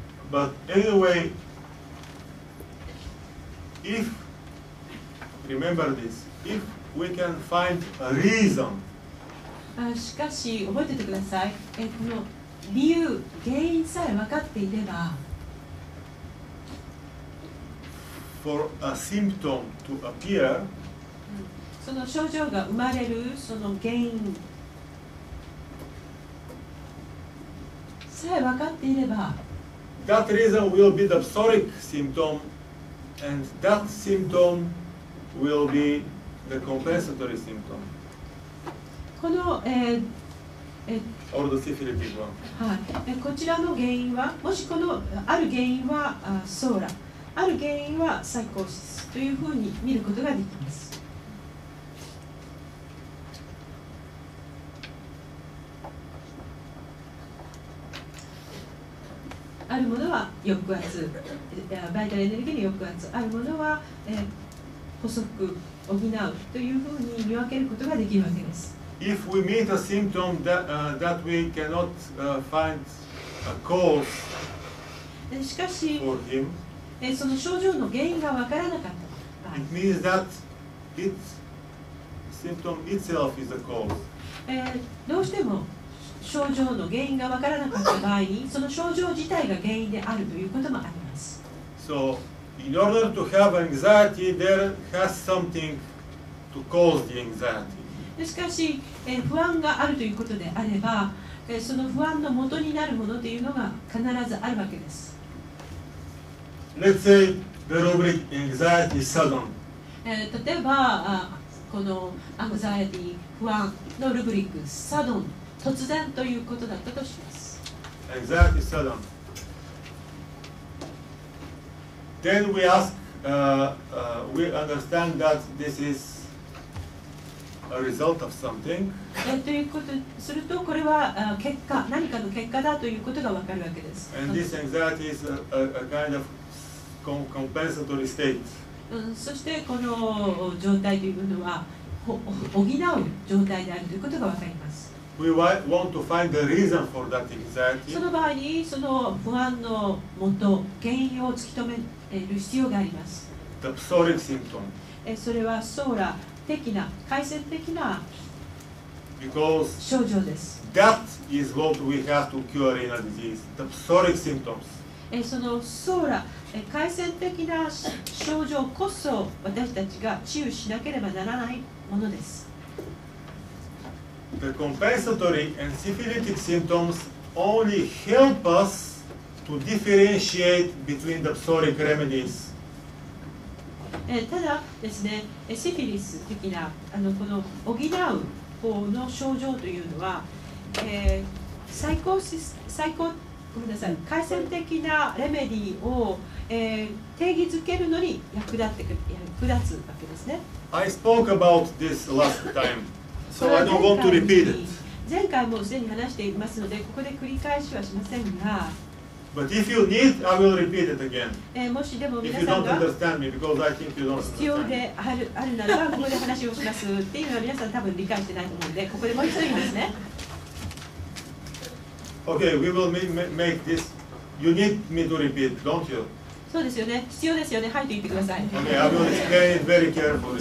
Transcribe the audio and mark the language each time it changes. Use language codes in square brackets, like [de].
[en] But anyway, if remember this, if we can find a reason. [ja] しかし覚えててください。この理由、原因さえ分かっていれば、 [en] for a symptom to appear, [ja] その症状が生まれるその原因さえ分かっていれば、 [en] that reason will be the psoric symptom, and that symptom will be the compensatory symptom. [ja] この、 [en] or the syphilitic one. [ja] はい。こちらの原因は、もしこのある原因はソーラ、ある原因はサイコーシスというふうに見ることができます。あるものは抑圧、バイタルエネルギーの抑圧、あるものは、補足、補うというふうに見分けることができるわけです。 [en] If we meet a symptom that, that we cannot find a cause for him, [ja] しかし、その症状の原因がわからなかった場合、 [en] it means that it, symptom itself is a cause. [ja] どうしても症状の原因がわからなかった場合に、その症状自体が原因であるということもあります。 [en] So,In order to have anxiety, there has something to cause the anxiety. [ja] しかし、不安があるということであれば、その不安の元になるものというのが必ずあるわけです。 [en] Let's say the rubric anxiety is sudden. [ja] 例えば、この anxiety 不安のルブリック sudden 突然ということだったとします。 [en] Anxiety is sudden. Then we ask, we understand that this is a result of something. [ja] ということすると、これは結果、何かの結果だということがわかるわけです。 [en] And this anxiety is a kind of compensatory state. [ja] そしてこの状態というのは補う状態であるということがわかります。 [en] We want to find the reason for that anxiety. [ja] その場合にその不安のもと原因を突き止める。る必要があります。 [en] The psoric symptom. [ja] それはソーラ的な回線的な症状です。 [en] That is what we have to cure in a disease. The psoric symptoms. [ja] そのソーラ回線的な症状こそ私たちが治癒しなければならないものです。 [en] The compensatory and syphilitic symptoms only help us. To differentiate between the psoric remedies. [ja] ただですね、シフィリス的なこの補う方の症状というのは、サイコーシス、サイコごめんなさい、回線的なレメディを、定義づけるのに役立つわけですね。 [en] I spoke about this last time, so I don't want to repeat it. [ja] 前回もすでに話していますので、ここで繰り返しはしませんが、 [en] But if you need, I will repeat it again. [ja] もしでも皆さんが、 [en] If you don't understand me, because I think you don't [ja] understand. 必要であるならば、ここで話をしますっていうのは皆さん多分理解してないと思うので、ここでもう一度言いますね。 [en] Okay, we will make this. You need me to repeat, don't you? [ja] そうですよね。必要ですよね。はいと言ってください。 [en] Okay, I will explain it very carefully.